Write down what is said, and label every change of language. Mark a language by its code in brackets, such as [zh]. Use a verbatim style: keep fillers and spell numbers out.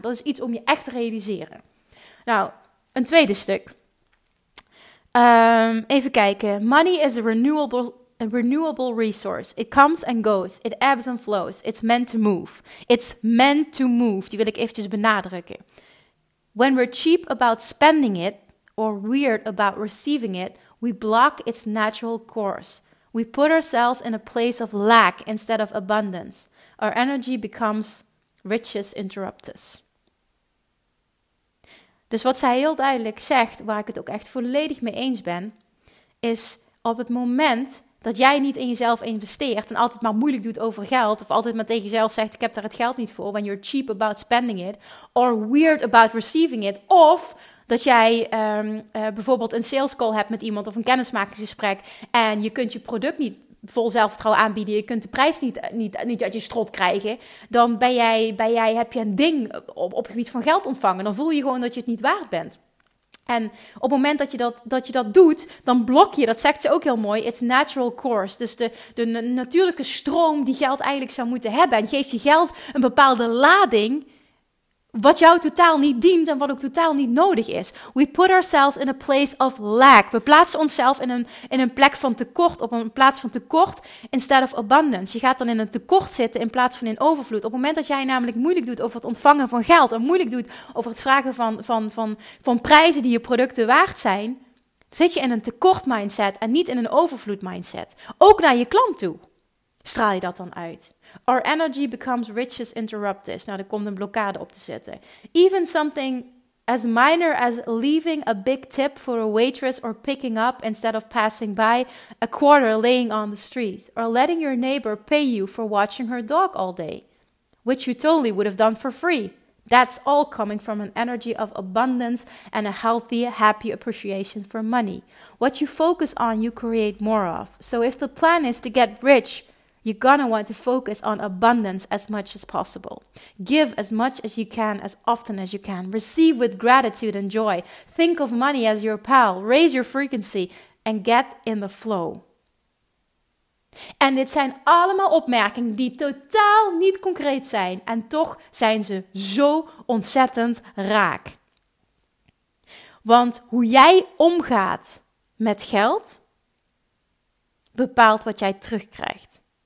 [nl] Dat is iets om je echt te realiseren. Nou, een tweede stuk. Um, even kijken. [en] Money is a renewable... A renewable resource. It comes and goes. It ebbs and flows. It's meant to move. It's meant to move. [nl] Die wil ik eventjes benadrukken. [en] When we're cheap about spending it, or weird about receiving it, We block its natural course. We put ourselves in a place of lack instead of abundance. Our energy becomes riches interruptus. [nl] Dus wat zij heel duidelijk zegt, waar ik het ook echt volledig mee eens ben, is op het moment dat jij niet in jezelf investeert en altijd maar moeilijk doet over geld, of altijd maar tegen jezelf zegt, ik heb daar het geld niet voor, [en] when you're cheap about spending it, or weird about receiving it, [nl] of dat jij um, uh, bijvoorbeeld een sales call hebt met iemand of een kennismakingsgesprek en je kunt je product niet vol zelfvertrouwen aanbieden, je kunt de prijs niet, niet, niet uit je strot krijgen, dan ben jij, ben jij, heb je een ding op, op het gebied van geld ontvangen. Dan voel je gewoon dat je het niet waard bent. En op het moment dat je dat, dat je dat doet, dan blok je, dat zegt ze ook heel mooi, [en] it's natural course. [nl] Dus de, de natuurlijke stroom die geld eigenlijk zou moeten hebben. En geef je geld een bepaalde lading, wat jou totaal niet dient en wat ook totaal niet nodig is. [en] We put ourselves in a place of lack. [nl] We plaatsen onszelf in een, in een plek van tekort, op een plaats van tekort, [en] instead of abundance. [nl] Je gaat dan in een tekort zitten in plaats van in overvloed. Op het moment dat jij namelijk moeilijk doet over het ontvangen van geld en moeilijk doet over het vragen van, van, van, van prijzen die je producten waard zijn, zit je in een tekort mindset en niet in een overvloed mindset. Ook naar je klant toe straal je dat dan uit. [en] Our energy becomes riches interruptus. [nl] Nou, er komt een blokkade op te zetten. [en] Even something as minor as leaving a big tip for a waitress or picking up instead of passing by a quarter laying on the street. Or letting your neighbor pay you for watching her dog all day, which you totally would have done for free. That's all coming from an energy of abundance and a healthy, happy appreciation for money. What you focus on, you create more of. So if the plan is to get rich, you're gonna want to focus on abundance as much as possible. Give as much as you can, as often as you can. Receive with gratitude and joy. Think of money as your pal. Raise your frequency and get in the flow. [nl] En dit zijn allemaal opmerkingen die totaal niet concreet zijn. En toch zijn ze zo ontzettend raak. Want hoe jij omgaat met geld bepaalt wat jij terugkrijgt.